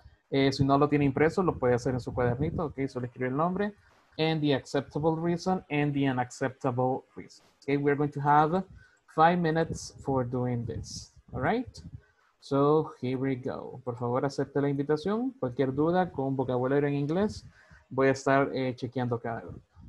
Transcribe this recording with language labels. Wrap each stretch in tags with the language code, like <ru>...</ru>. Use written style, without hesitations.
<es>Si no lo tiene impreso, lo puede hacer en su cuadernito, okay? Solo escribe el nombre.</es> <en>And the acceptable reason and the unacceptable reason. Okay, we're going to have 5 minutes for doing this, all right? So, here we go.</en> <es>Por favor, acepte la invitación. Cualquier duda con vocabulario en inglés, voy a estar chequeando cada grupo.</es>